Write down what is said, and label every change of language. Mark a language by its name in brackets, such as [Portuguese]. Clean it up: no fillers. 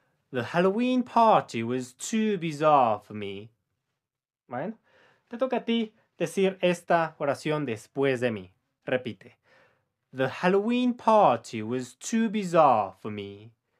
[English] The Halloween party was too bizarre for me. [Spanish] Bueno, te toca a ti decir esta oración después de mí. Repite. [English] The Halloween party was too bizarre for me.